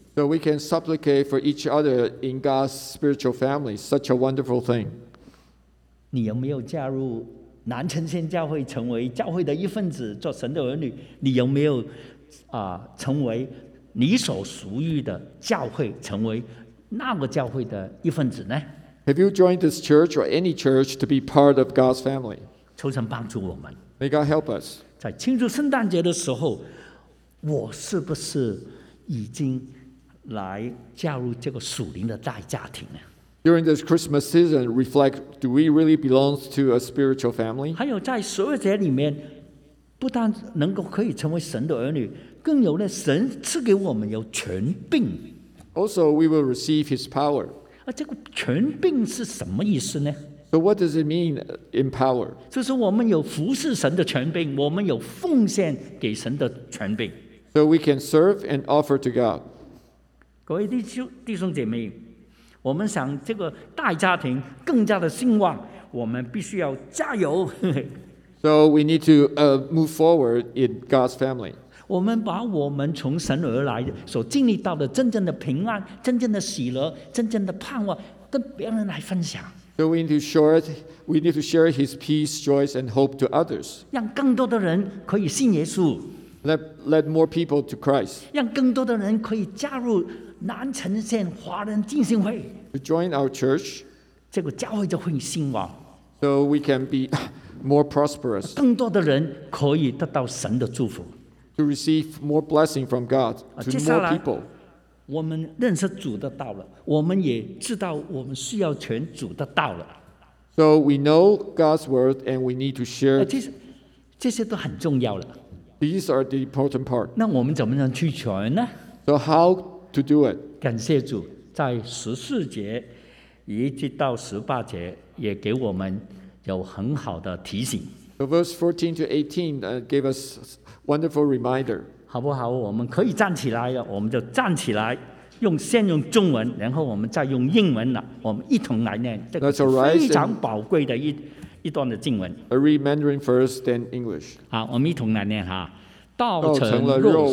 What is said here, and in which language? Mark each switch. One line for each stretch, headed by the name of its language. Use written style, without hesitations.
English: So we can supplicate for each other in God's spiritual family, such a wonderful thing.
Chinese: 你有没有加入南城县教会，成为教会的一份子，做神的儿女？你有没有，成为你所属于的教会，成为那个教会的一份子呢？
English: Have you joined this church or any church to be part of God's family?
Chinese: 求神帮助我们。
English: May God help us.
Chinese: 在庆祝圣诞节的时候，我是不是已经来加入这个属灵的大家庭呢？
English: During this Christmas season, reflect, do we really belong to a spiritual family?
Chinese: 还有在十二节里面，不但能够可以成为神的儿女，更有呢，神赐给我们有权柄。
English: Also, we will receive his power.
Chinese: 这个权柄是什么意思呢？
English: So what does it mean in power?
Chinese: 就是我们有服侍神的权柄，我们有奉献给神的权柄。
English: So we can serve and offer to God.
Chinese: 各位弟兄姐妹，我们想这个大家庭更加的兴旺，我们必须要加油。
English: So we need to move forward in God's family.
Chinese: 我们把我们从神而来所经历到的真正的平安、真正的喜乐、真正的盼望，跟别人来分享。
English: So we need to share it. We need to share His peace, joy, and hope to others.
Chinese: 让更多的人可以信耶稣。
English: Let more people to Christ.
Chinese: 让更多的人可以加入南城县华人浸信会。
English: To join our church.
Chinese: 这个教会就会兴旺。
English: So we can be more prosperous.
Chinese: 更多的人可以得到神的祝福。
English: To receive more blessing from God to more people.
Chinese: 我们认识主的道了，我们也知道我们需要全主的道了。
English: So we know God's word and we need to share.
Chinese: 这些都很重要了。
English: These are the important part.
Chinese: 那我们怎么能去全呢
English: ？So how to do it?
Chinese: 感谢主，在十四节一直到十八节也给我们有很好的提醒。
English: So verse 14 to 18 gave us wonderful reminder.
Chinese: 好不好？我们可以站起来了，我们就站起来，先用中文，然后我们再用英文了，我们一同来念这个非常宝贵的一段的经文。
English: I read Mandarin first, then English.
Chinese: 好，我们一同来念哈。道成肉